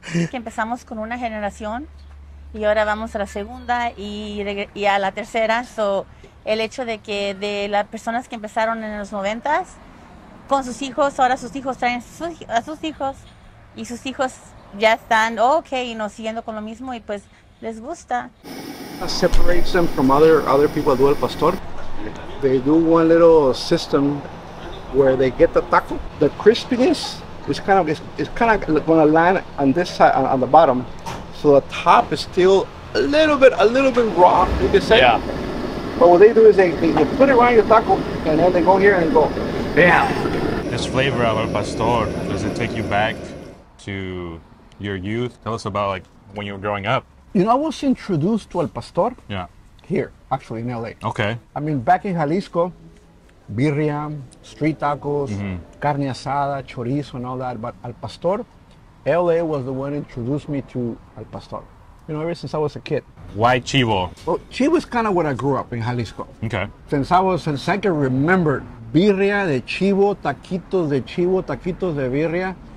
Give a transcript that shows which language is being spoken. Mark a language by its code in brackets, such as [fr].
[es] Que empezamos con una generación y ahora vamos a la segunda y a la tercera. So, el hecho de que de las personas que empezaron en los 90s con sus hijos, ahora sus hijos traen a sus hijos y sus hijos ya están, oh, ok, y nos siguiendo con lo mismo y pues les gusta. [en] Separates them from other people that do El Pastor. They do one little system where they get the taco, the crispiness. It's kind of gonna land on this side on the bottom, so the top is still a little bit raw, you could say. Yeah. But what they do is they put it around your taco, and then they go here and go, bam. This flavor of Al Pastor, does it take you back to your youth? Tell us about like when you were growing up. You know, I was introduced to Al Pastor. Yeah. Here, actually, in LA. Okay. I mean, back in Jalisco. Birria, street tacos, mm-hmm. carne asada, chorizo, and all that. But Al Pastor, LA was the one who introduced me to Al Pastor. You know, ever since I was a kid. Why chivo? Well, chivo is kind of where I grew up in Jalisco. Okay. Since I can remember, birria de chivo, taquitos de chivo, taquitos de birria.